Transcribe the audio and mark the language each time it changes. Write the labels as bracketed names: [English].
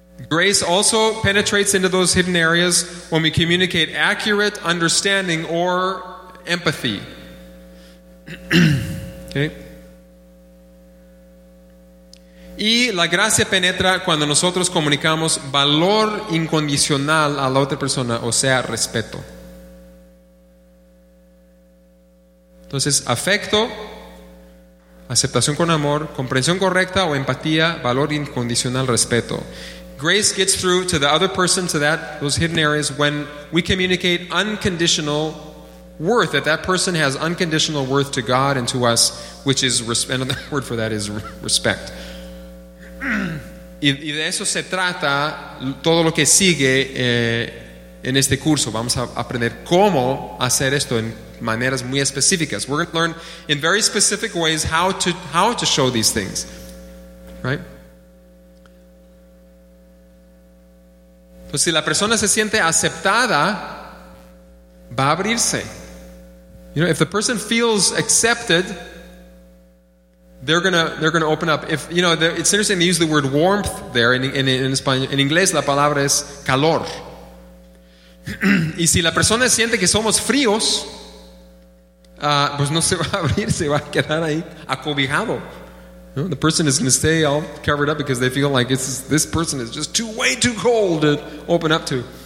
[English] Grace also penetrates into those hidden areas when we communicate accurate understanding or empathy. Okay. [Spanish] Y la gracia penetra cuando nosotros comunicamos valor incondicional a la otra persona, o sea, respeto. Entonces, afecto, aceptación con amor, comprensión correcta o empatía, valor incondicional, respeto. [English] Grace gets through to the other person, to that, those hidden areas, when we communicate unconditional worth, that person has unconditional worth to God and to us, which is, another word for that is respect. [Spanish] Y de eso se trata todo lo que sigue en este curso. Vamos a aprender cómo hacer esto en maneras muy específicas. [English] We're going to learn in very specific ways how to show these things, right? [Spanish] Pues si la persona se siente aceptada, va a abrirse. [English] You know, if the person feels accepted, they're gonna open up. If you know, it's interesting they use the word warmth there in Spanish. In English, [Spanish] la palabra es calor. Y si la persona siente que somos fríos, pues no se va a abrir, se va a quedar ahí acobijado. [English] You know, the person is going to stay all covered up because they feel like this person is just way too cold to open up to.